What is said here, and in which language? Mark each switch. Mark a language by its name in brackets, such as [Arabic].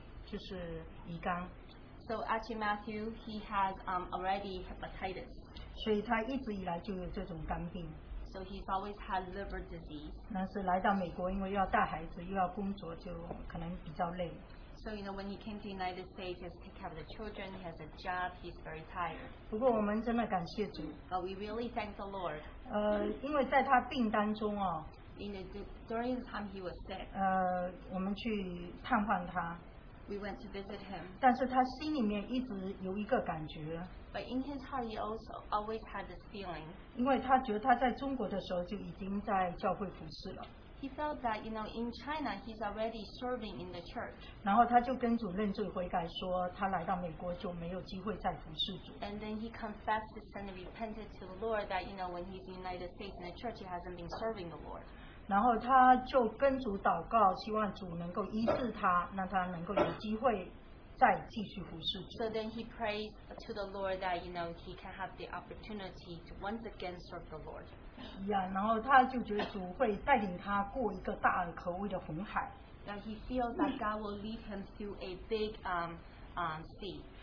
[Chinese] 所以李根是他自己本身就有那种叫做乙肝炎了，就是乙肝。 [English] So actually, Matthew, he has already hepatitis. [Chinese] 所以他一直以来就有这种肝病。 [English] So he's always had liver disease. [Chinese] 但是来到美国，因为要带孩子，又要工作，就可能比较累。 [English] So you know, when he came to the United States, he has to take care of the children. He has a job. He's very tired. [Chinese] 不过我们真的感谢主。 [English] But we really thank the Lord. [Chinese] 因为在他病当中哦。 [English] In the during the time he was sick. [Chinese] 我们去探望他。 [English] We went to visit him. [Chinese] 但是他心里面一直有一个感觉。 [English] But in his heart, he also always had this feeling. [Chinese] 因为他觉得他在中国的时候就已经在教会服侍了。 [English] He felt that, you know, in China, he's already serving in the church. [Chinese] 然后他就跟主认罪悔改说，他来到美国就没有机会再服侍主。 [English] And then he confessed his sin and repented to the Lord that, you know, when he's in the United States in the church, he hasn't been serving the Lord. [Chinese] 然后他就跟主祷告，希望主能够医治他，让他能够有机会。 [English] So then he prays to the Lord that, you know, he can have the opportunity to once again serve the Lord. Yeah, and he feels that God will lead him through a big sea.